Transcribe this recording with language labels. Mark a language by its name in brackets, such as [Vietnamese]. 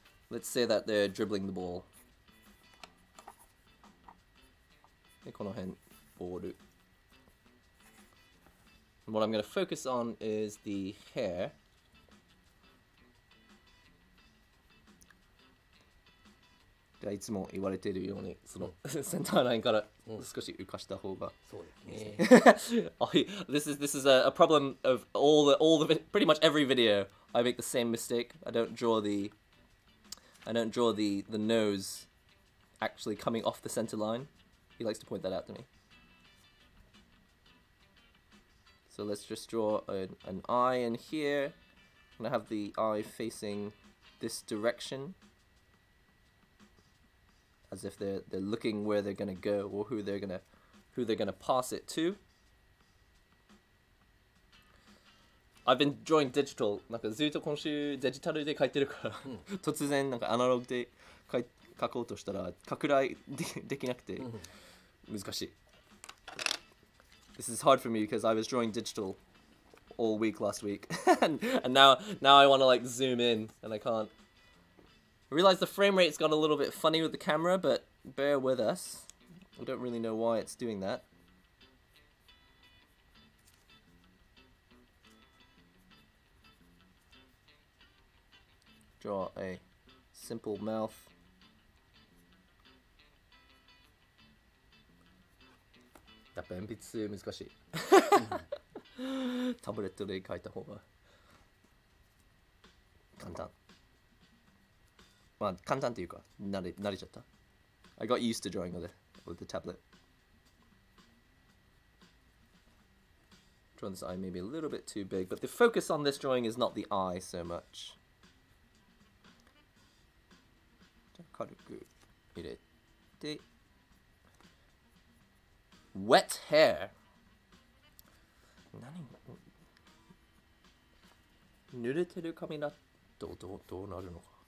[English] Let's say that they're dribbling the ball. [Japanese] この辺、ボール。 [English] What I'm going to focus on is the hair. [Japanese] じゃあいつも言われているようにその、うん、センターラインから少し浮かした方が、うん、そうですね。 [English] this is a problem of all the pretty much every video. I make the same mistake. I don't draw the nose actually coming off the center line. He likes to point that out to me. So let's just draw an eye in here. I'm gonna have the eye facing this direction. As if they're looking where they're gonna go or who they're gonna pass it to. I've been drawing digital. [Japanese] なんかずっと今週デジタルで描いてるから、突然なんかアナログで描こうとしたら拡大できなくて難しい。 [English] This is hard for me because I was drawing digital all week last week, and now I want to like zoom in and I can't. I realize the frame rate's gone a little bit funny with the camera, but bear with us. We don't really know why it's doing that. Draw a simple mouth. [Japanese] やっぱ鉛筆難しい。タブレットで描いた方が簡単。まあ簡単というか慣れちゃった。 [English] I got used to drawing with the tablet. Drawing this eye maybe a little bit too big, but the focus on this drawing is not the eye so much. [Japanese] 軽く入れて [English] wet hair [Japanese] 何濡れてる髪だとどうなるのか